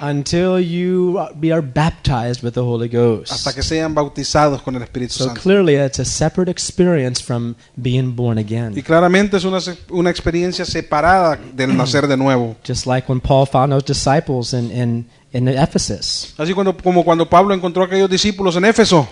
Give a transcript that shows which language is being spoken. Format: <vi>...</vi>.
<en>Until you are baptized with the Holy Ghost.</en> <es>Hasta que sean bautizados con el Espíritu Santo.</es> <en>So clearly, it's a separate experience from being born again.</en> <es>Y claramente es una experiencia separada del nacer de nuevo.</es> <en>Just like when Paul found those disciples in Ephesus.</en> <es>Así cuando Pablo encontró a aquellos discípulos en Éfeso.</es>